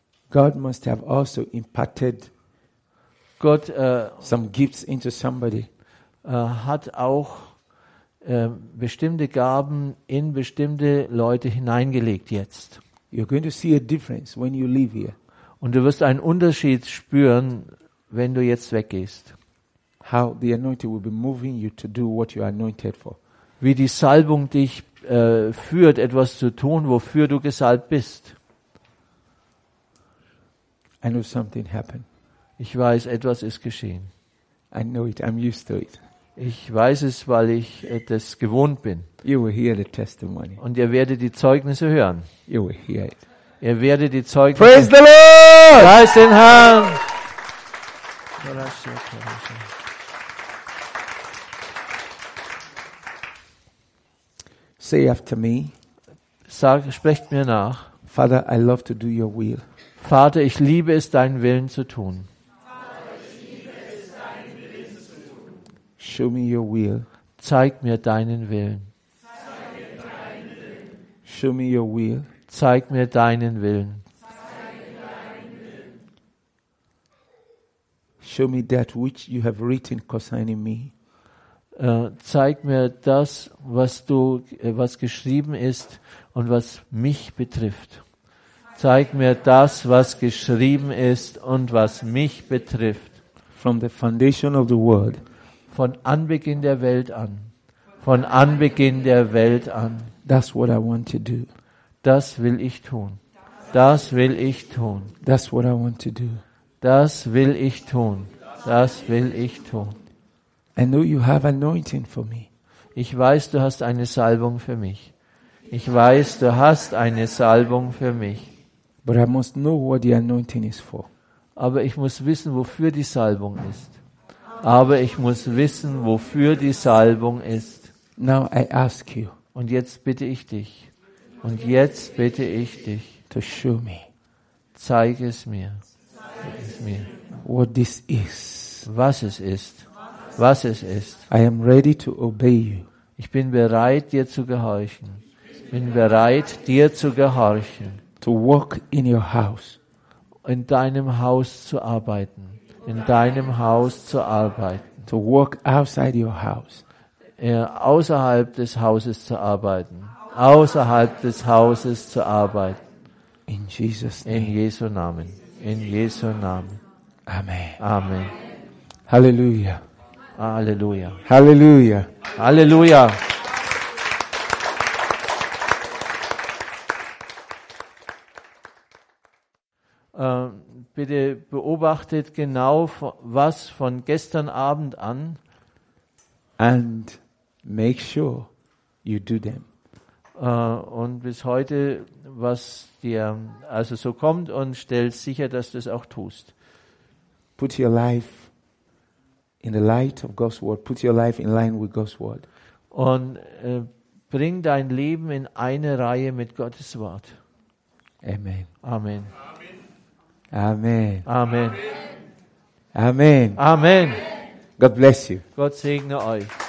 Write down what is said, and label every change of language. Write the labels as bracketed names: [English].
[English] God must have also imparted God some gifts into somebody. [German] Hat auch bestimmte Gaben in bestimmte Leute hineingelegt jetzt. [English] You're going to see a difference when you leave here. [German] Und du wirst einen Unterschied spüren, wenn du jetzt weggehst. [English] How the anointing will be moving you to do what you are anointed for. [German] Wie die Salbung dich führt, etwas zu tun, wofür du gesalbt bist. [English] I know something happened. [German] Ich weiß, etwas ist geschehen. [English] I know it. I'm used to it. [German] Ich weiß es, weil ich das gewohnt bin. [English] You will hear the testimony. [German] Und ihr werdet die Zeugnisse hören. [English] You will hear it. [German] Ihr werdet die Zeugnisse. [English] Praise the Lord! [German] Preist den Herrn! [English] Say after me. [German] Sag, sprecht mir nach. [English] Father, I love to do your will. [German] Vater, ich liebe es, deinen Willen zu tun. [English] Show me your will. [German] Zeig mir deinen Willen. [English] Show me your will. [German] Zeig mir deinen Willen. [English] Show me that which you have written concerning me. [German] Zeig mir das, was du, was geschrieben ist und was mich betrifft. Zeig mir das, was geschrieben ist und was mich betrifft. [English] From the foundation of the world. [German] Von Anbeginn der Welt an. Von Anbeginn der Welt an. [English] That's what I want to do. [German] Das will ich tun. Das will ich tun. [English] That's what I want to do. [German] Das will ich tun. Das will ich tun. [English] I know you have anointing for me. [German] Ich weiß, du hast eine Salbung für mich. Ich weiß, du hast eine Salbung für mich. [English] But I must know what the anointing is for. [German] Aber ich muss wissen, wofür die Salbung ist. Aber ich muss wissen, wofür die Salbung ist. [English] Now I ask you. [German] Und jetzt bitte ich dich. Und jetzt bitte ich dich. [English] To show me. [German] Zeig es mir. Zeig es mir. [English] What this is. [German] Was es ist. Was es ist. [English] I am ready to obey you. [German] Ich bin bereit, dir zu gehorchen. Bin bereit, dir zu gehorchen. [English] To walk in your house. [German] In deinem Haus zu arbeiten. In deinem Haus zu arbeiten. [English] To walk outside your house. [German] Außerhalb des Hauses zu arbeiten. Außerhalb des Hauses zu arbeiten. [English] In Jesus' [German] name. In Jesu Namen. In Jesu Namen. Amen. Amen. Halleluja. Halleluja. Halleluja. Halleluja. Bitte beobachtet genau, was von gestern Abend an. [English] And make sure you do them. [German] Und bis heute, was dir also so kommt, und stell sicher, dass du es auch tust. [English] Put your life in the light of God's word. Put your life in line with God's word. [German] Und bring dein Leben in eine Reihe mit Gottes Wort. Amen. Amen. Amen. Amen. Amen. Amen. [English] God bless you. [German] Gott segne euch.